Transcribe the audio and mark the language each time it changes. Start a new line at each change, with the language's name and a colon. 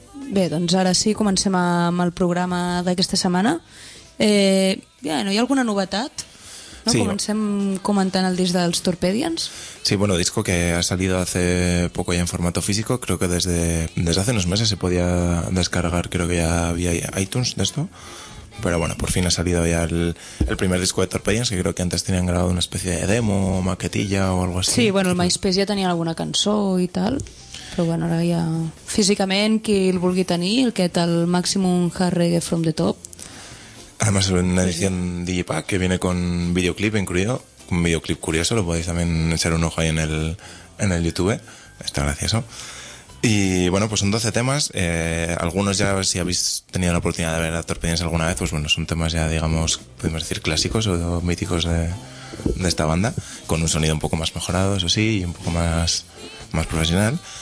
Catalan: Doncs ara sí, comencem amb el programa d'aquesta setmana. Hi ha alguna novetat? No? Sí, comencem comentant el disc dels Torpedians.
Spanish: Sí, bueno, disco que ha salido hace poco ya en formato físico. Creo que desde hace unos meses se podía descargar, creo que ya había iTunes de esto. Pero bueno, por fin ha salido ya el primer disco de Torpedians, que creo que antes tenían grabado una especie de demo o maquetilla o algo así.
Catalan: Sí, bueno, el MySpace ja tenia alguna cançó i tal, però bueno, ara ja físicament qui el vulgui tenir, aquest el Maximum Hard Reggae From The Top.
Spanish: Además es una edición digipack que viene con videoclip incluido, un videoclip curioso, lo podéis también echar un ojo ahí en el YouTube, está gracioso. Y bueno, pues son 12 temas, algunos ya, si habéis tenido la oportunidad de ver a Torpedians alguna vez, pues bueno, son temas ya, digamos, podemos decir clásicos o míticos de esta banda, con un sonido un poco más mejorado, eso sí, y un poco más profesional.